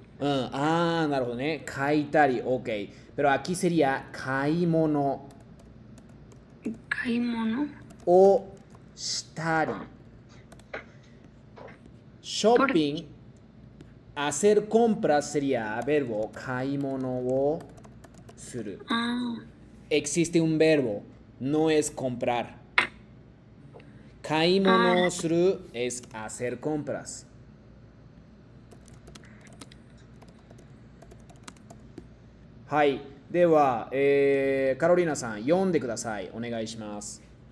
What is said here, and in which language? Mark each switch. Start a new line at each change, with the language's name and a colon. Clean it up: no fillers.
Japanese: うん、ああなるほどね、書いたり、 OK。
Spanish: Pero aquí sería 買い物、
Japanese: 買い物をしたり、ショッピング、
Spanish: hacer compras sería verbo、
Japanese: 買い物をする。あ、
Spanish: existe un verbo、 no es comprar。買い物をする es hacer compras。
Japanese: はい、では、カロリーナさん読んでください、お願いします。